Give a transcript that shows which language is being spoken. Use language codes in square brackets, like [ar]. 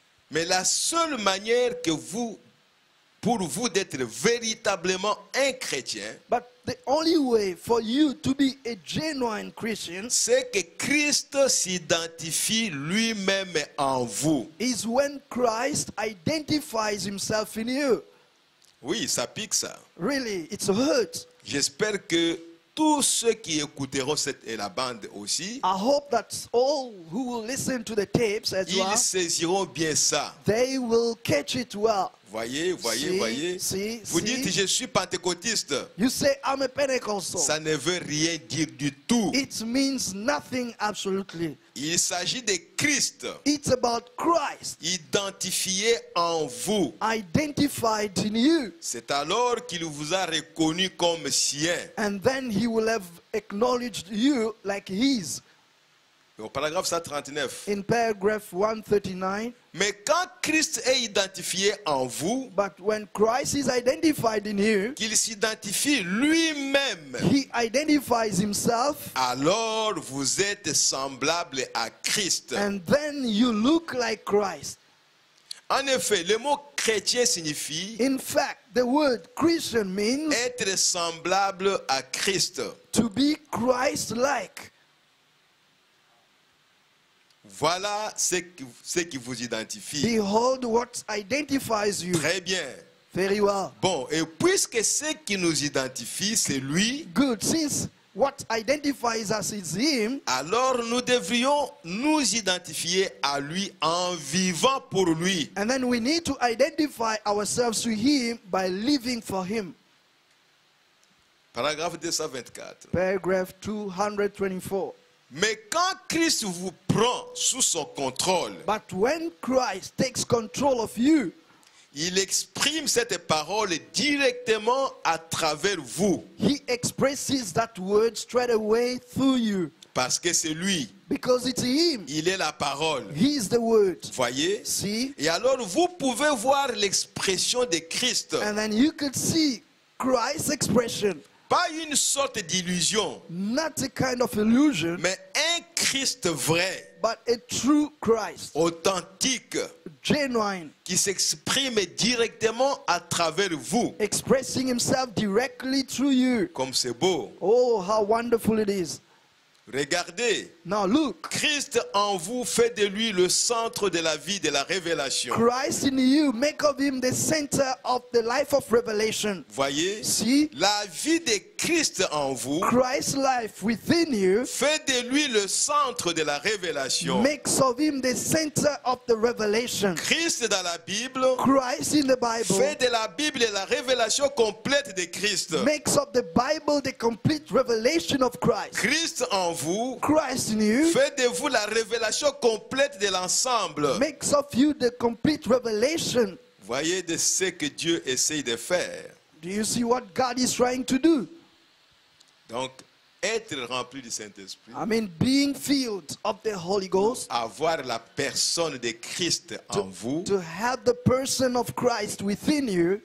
[fr] Mais la seule manière que vous, pour vous d'être véritablement un chrétien, [en] but the only way for you to be a genuine Christian, [fr] c'est que Christ s'identifie lui-même en vous, [en] is when Christ identifies himself in you. [fr] Oui, ça pique ça. [en] Really, it's a hurt. [fr] J'espère que tous ceux qui écouteront cette et la bande aussi, [en] I hope that all who will listen to the tapes as [fr] ils [en] well, [fr] saisiront bien ça. [en] They will catch it well. [fr] Voyez. Vous [en] see, [fr] dites, je suis pentecôtiste. [en] You say, I'm a Pentecostal. [fr] Ça ne veut rien dire du tout. [en] It means nothing absolutely. [fr] Il s'agit de Christ. [en] It's about Christ. [fr] Identifié en vous. [en] Identified in you. [fr] C'est alors qu'il vous a reconnu comme sien. [en] And then he will have acknowledged you like his. [fr] Au paragraphe 139. [en] In paragraph 139. [fr] Mais quand Christ est identifié en vous, [en] but when Christ is identified in you, [fr] qu'il s'identifie lui-même, [en] he identifies himself, [fr] alors vous êtes semblable à Christ. [en] And then you look like Christ. [fr] En effet, le mot chrétien signifie, [en] in fact, the word Christian means, [fr] être semblable à Christ. [en] To be Christ-like. [fr] Voilà ce qui vous identifie. [en] Behold what identifies you. [fr] Très bien. [en] Very well. [fr] Bon, et puisque ce qui nous identifie, c'est lui. [en] Good, since what identifies us is him. [fr] Alors nous devrions nous identifier à lui en vivant pour lui. [en] And then we need to identify ourselves to him by living for him. [fr] Paragraphe 224. [en] Paragraph 224. [fr] Mais quand Christ vous prend sous son contrôle, [en] but when Christ takes control of you, [fr] il exprime cette parole directement à travers vous. [en] He expresses that word straight away through you. [fr] Parce que c'est lui. [en] Because it's him. [fr] Il est la parole. [en] He is the word. [fr] Voyez? [en] See? [fr] Et alors vous pouvez voir l'expression de Christ. [en] And then you could see Christ's expression. [fr] Pas une sorte d'illusion, [en] not a kind of illusion, [fr] mais un Christ vrai, [en] but a true Christ, [fr] authentique, [en] genuine, [fr] qui s'exprime directement à travers vous, [en] expressing himself directly through you. [fr] Comme c'est beau. [en] Oh, how wonderful it is. [fr] Regardez. [en] Now look. [fr] Christ en vous fait de lui le centre de la vie de la révélation. [en] Christ in you make of him the center of the life of revelation. [fr] Voyez. [en] See. [fr] La vie de Christ en vous. [en] Christ's life within you. [fr] Fait de lui le centre de la révélation. [en] Makes of him the center of the revelation. [fr] Christ dans la Bible. [en] Christ in the Bible. [fr] Fait de la Bible la révélation complète de Christ. [en] Makes of the Bible the complete revelation of Christ. [fr] Christ en vous, [en] Christ in you, [fr] fait de vous la révélation complète de l'ensemble. [en] Makes of you the complete revelation. [fr] Voyez de ce que Dieu essaye de faire. [en] Do you see what God is trying to do? [fr] Donc, être rempli du Saint-Esprit. [en] I mean, being filled of the Holy Ghost. [fr] Avoir la personne de Christ en vous. [en] To have the person of Christ within you.